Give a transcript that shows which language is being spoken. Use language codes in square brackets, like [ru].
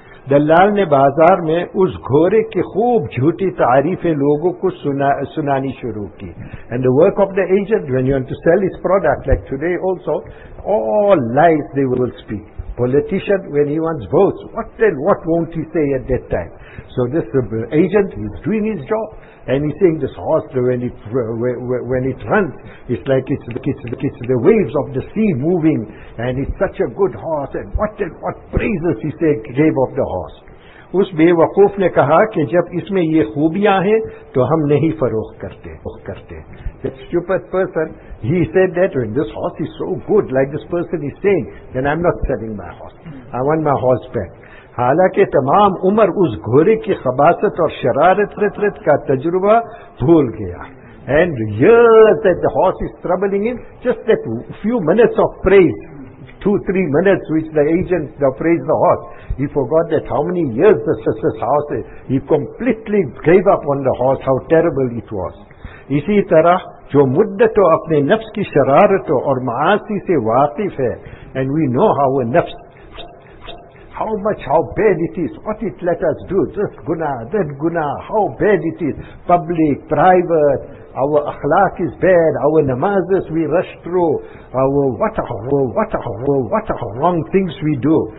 [ur] دلال نے بازار میں اس گھوڑے کی خوب جھوٹی تعریفیں لوگوں کو سنانی شروع کی. [en] And the work of the agent, when you want to sell his product, like today also, all lies they will speak. Politician, when he wants votes, what then, what won't he say at that time? So this agent is doing his job, and he's saying this horse, when it runs, it's like it's the waves of the sea moving, and it's such a good horse, and what praises he said gave of the horse. [ur] اس بے وقوف نے کہا کہ جب اس میں یہ خوبیاں ہیں تو ہم نہیں فروخت کرتے. [en] That stupid person, he said that when this horse is so good, like this person is saying, then I'm not selling my horse. I want my horse back. [ur] حالانکہ تمام عمر اس گھوڑے کی خباثت اور شرارت رت کا تجربہ بھول گیا. [en] And years that the horse is troubling him, just that few minutes of praise, 2-3 minutes which the agent praised the horse, he forgot that how many years this horse is. He completely gave up on the horse, how terrible it was. [ur] اسی طرح جو مدت و اپنے نفس کی شرارتوں اور معاصی سے واقف ہے. [en] And we know how a nafs, how bad it is, what it let us do, this guna, that guna, how bad it is, public, private, our akhlaq is bad, our namazes we rush through, what a wrong things we do.